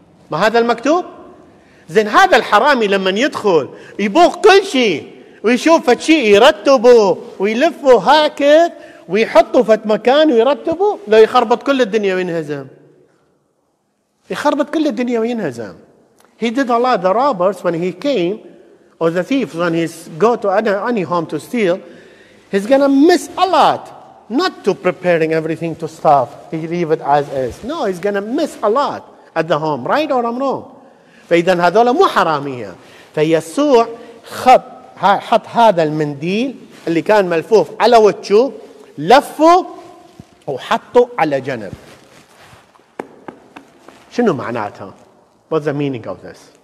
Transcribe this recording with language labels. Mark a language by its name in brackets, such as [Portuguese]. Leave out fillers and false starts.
[Arabic] ما هذا المكتوب؟ زين هذا الحرامي لما يدخل يبوق كل شيء ويشوف شيء يرتبه ويلفه هكذا ويحطه في مكان ويرتبه, لو يخربط كل الدنيا وينهزم, يخربط كل الدنيا وينهزم. [English] He did a lot of robbers when he came, or the thief when he's go to any home to steal, he's gonna miss a lot. Not to preparing everything to stuff, he leave it as is. No, he's gonna miss a lot at the home, right or I'm wrong. [Arabic] فإذن هذولا مو حرامية. فيسوع حط هذا المنديل اللي كان ملفوف على وجهه, لفه وحطه على جنب. شنو معناتها؟ [English] What's the meaning of this?